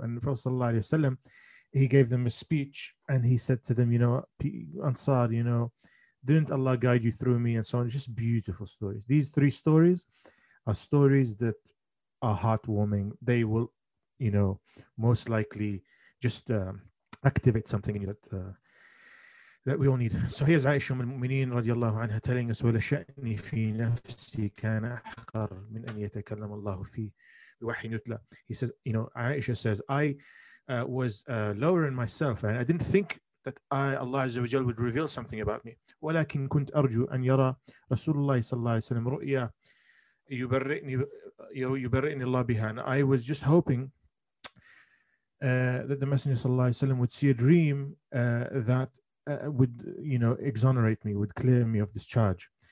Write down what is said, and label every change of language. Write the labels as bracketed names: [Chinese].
[English] And the Prophet sallallahu alaihi wasallam, he gave them a speech and he said to them, you know, Ansar, you know, didn't Allah guide you through me? And so on. Just beautiful stories. These three stories are stories that are heartwarming. They will, you know, most likely just activate something in you that that we all need. So here's Aisha ummul mu'mineen radiyallahu anha telling us, [Arabic] وَلَا شَأْنِي فِي نَفْسِي كَانَ أَحْقَرْ مِنْ أَنْ يَتَكَلَّمَ اللَّهُ فِي وَحِي نُتْلَى. [English] He says, you know, Aisha says, I was lower in myself and I didn't think that I, Allah Azza wa Jal, would reveal something about me. [Arabic] وَلَكِنْ كُنْتْ أَرْجُوْ أَنْ يَرَى رَسُولُ اللَّهِ صَلَّى اللَّهِ وَسَلَّمْ رُؤْيَا يُبَرِّئْنِي اللَّهُ بِهَا. [English] And I was just hoping that the Messenger sallallahu alayhi wa sallam would see a dream that would, you know, exonerate me, would clear me of this charge.